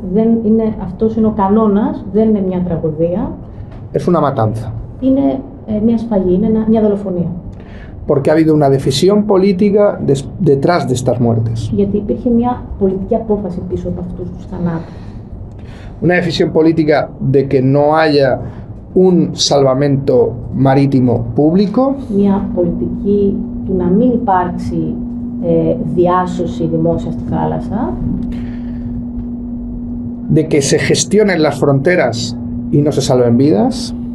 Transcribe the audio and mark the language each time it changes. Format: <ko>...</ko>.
<el>Δεν είναι, αυτός είναι ο κανόνας, δεν είναι μια τραγωδία.</el> <es>Es una matanza.</es> <el>Είναι μια σφαγή, είναι μια δολοφονία.</el> <es>Porque ha habido una decisión política detrás de estas muertes.</es> <el>Γιατί υπήρχε μια πολιτική απόφαση πίσω από αυτούς τους θανάτους.</el> <es>Una decisión política de que no haya un salvamento marítimo público.</es> <el>Μια πολιτική του να μην υπάρξει διάσωση δημόσια στη θάλασσα.</el> <es>De que se gestionen las fronteras y no se salven vidas.</es>